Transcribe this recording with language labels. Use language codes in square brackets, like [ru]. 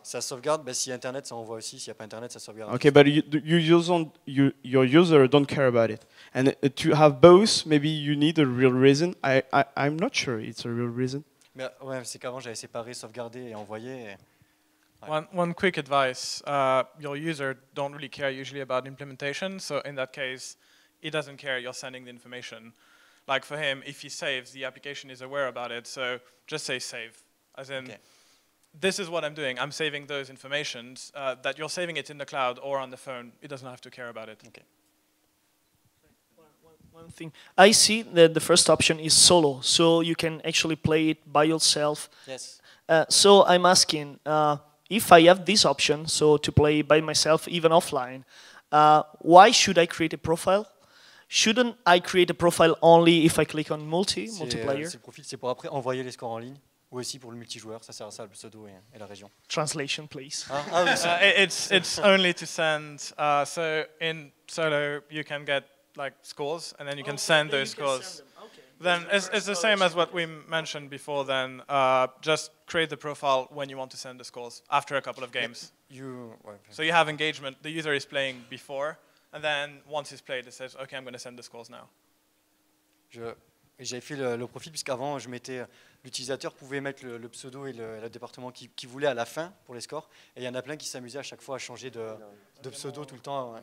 [fr] Ça sauvegarde, mais si Internet, ça envoie aussi. S'il n'y a pas Internet, ça sauvegarde. [en] OK, but your user don't care about it. And to have both, maybe you need a real reason. I'm not sure it's a real reason. [fr] Mais, ouais, c'est qu'avant, j'avais séparé, sauvegardé et envoyé. Et [en] One quick advice, your user don't really care usually about implementation, so in that case, he doesn't care you're sending the information. Like for him, if he saves, the application is aware about it, so just say save. As in, this is what I'm doing, I'm saving those informations, that you're saving it in the cloud or on the phone, he doesn't have to care about it. Okay. One thing, I see that the first option is solo, so you can actually play it by yourself. Yes. So I'm asking, if I have this option, so to play by myself, even offline, why should I create a profile? Shouldn't I create a profile only if I click on multiplayer? [fr] C'est profil, c'est pour après envoyer les scores en ligne, ou aussi pour le multijoueur, ça sert à ça, le pseudo et la région. [en] Translation, please. It's only to send. So in solo, you can get like scores, and then you can send those scores. Then it's the same as what we mentioned before then. Just create the profile when you want to send the scores after a couple of games. So you have engagement. The user is playing before. And then once he's played, it says, OK, I'm going to send the scores now. [fr] J'avais fait le profil, puisqu'avant, je mettais, l'utilisateur pouvait mettre le pseudo et le département qu'il voulait à la fin pour les scores. Et il y en a plein qui s'amusaient à chaque fois à changer de pseudo tout le temps.